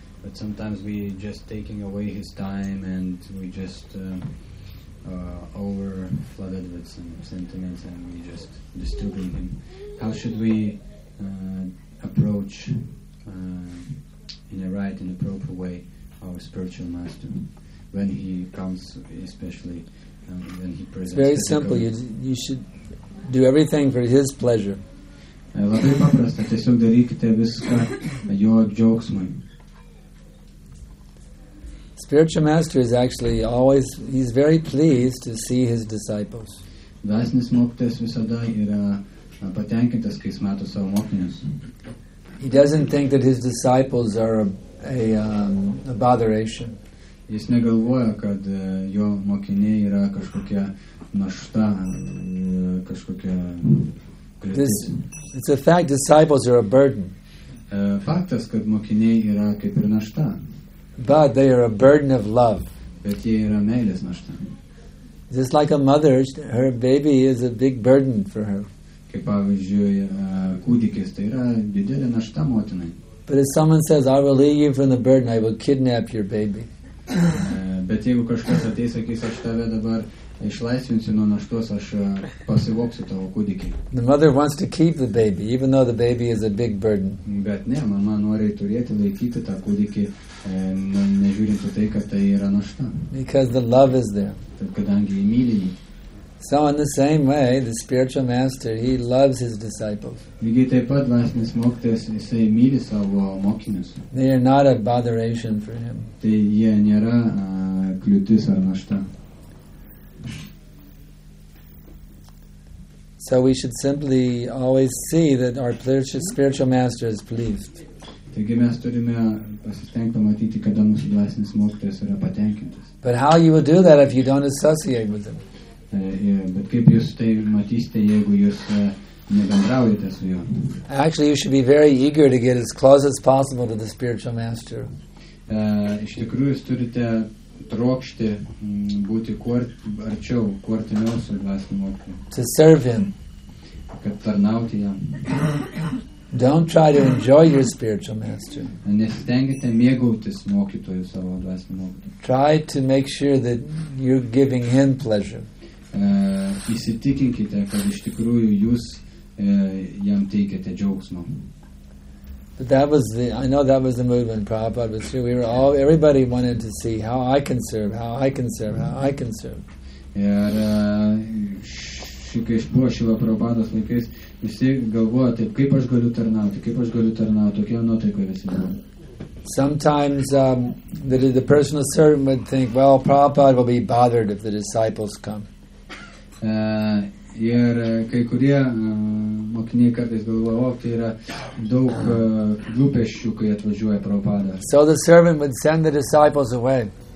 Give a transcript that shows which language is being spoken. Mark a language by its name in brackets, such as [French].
[English] But sometimes we just taking away his time and we just over flooded with some sentiments and we just disturbing him. How should we approach in a right and appropriate way our spiritual master when he comes, especially when he presents? It's very simple. You should do everything for his pleasure. [Lithuanian] Labai paprasta, tiesiog darykite viską jo džiaugsmui. [English] Spiritual master is actually always, he's very pleased to see his disciples. [Lithuanian] Dvasinis mokytojas visada yra patenkintas, kai jis mato savo mokinius. [English] He doesn't think that his disciples are a botheration. [Lithuanian] Jis negalvoja, kad jo mokiniai yra kažkokia našta, kažkokia kliūtis. [English] It's a fact, disciples are a burden. [Lithuanian] Faktas, kad mokiniai yra kaip ir našta. [English] But they are a burden of love. [Lithuanian] Bet jie yra meilės našta. [English] Just like a mother, her baby is a big burden for her. [Lithuanian] Kaip pavyzdžiui, kūdikis, tai yra didelė našta motinai. [English] But if someone says, I will leave you from the burden, I will kidnap your baby. [Lithuanian] Bet jeigu kažkas ateis, sakys, aš tave dabar išlaisvinsiu nuo naštos, aš pasivoksiu tavo kūdikį. [English] The mother wants to keep the baby, even though the baby is a big burden. [Lithuanian] Bet ne, mama nori turėti, laikyti tą kūdikį, nežiūrint tai, kad tai yra našta. [English] Because the love is there. [Lithuanian] Taip, kadangi jį myli jį. [English] So in the same way, the spiritual master, he loves his disciples. [Lithuanian] Lygiai taip pat, dvasinis mokytojas, jisai myli savo mokinius. [English] They are not a botheration for him. [Lithuanian] Tai jie nėra kliūtis ar našta. [English] So we should simply always see that our spiritual master is pleased. [Lithuanian] Taigi mes turime pasistengti matyti, kada mūsų dvasinis mokytojas yra patenkintas. [English] But how you will do that if you don't associate with him? [Lithuanian] Bet kaip jūs tai matysite, jeigu jūs nebendraujate su juo? [English] Actually, you should be very eager to get as close as possible to the spiritual master. [Lithuanian] Iš tikrųjų, jūs turite trokšti būti kuo arčiau, kuo artimiau su dvasiniu mokytoju. [English] To serve him. [Lithuanian] Kad tarnauti jam. [English] Don't try to enjoy your spiritual master. [Lithuanian] Nesistengite mėgautis mokytoju, savo dvasiniu mokytoju. [English] Try to make sure that you're giving him pleasure. [Lithuanian] Įsitikinkite, kad iš tikrųjų jūs jam teikiate džiaugsmą. [English] But that was the, I know that was the movement Prabhupada was through. We were all, everybody wanted to see how I can serve, how I can serve, how I can serve. [Lithuanian] Ir buvo šilo Prabhupados laikais, visi galvojo taip, kaip aš galiu tarnauti, kaip aš galiu tarnauti, tokie nuotaikai visi buvo. [English] Sometimes the personal servant would think, well, Prabhupada will be bothered if the disciples come. [Lithuanian] Ir kai kurie mokiniai kartais galvojo, tai yra daug rūpesčių, kai atvažiuoja Prabhupada. [English] So the servant would send the disciples away.